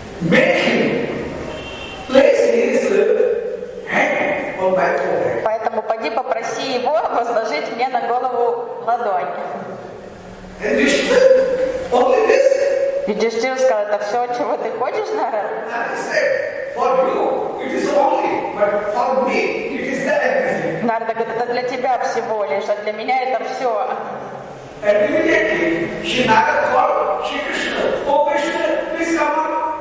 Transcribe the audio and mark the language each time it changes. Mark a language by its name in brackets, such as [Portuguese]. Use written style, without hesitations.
[English] Make him place his hand on my forehead. [Russian] Поэтому пойди попроси его возложить мне на голову ладонь. [English] And you should only this. [Russian] Юдхиштхир сказал, это все, чего ты хочешь, Нарад? [English] For you it is only, but for me it is the everything. [Russian] Нарад говорит, это для тебя всего лишь, а для меня это все. [English] And immediately she Нарад called Shri Krishna. Oh Krishna, please come on.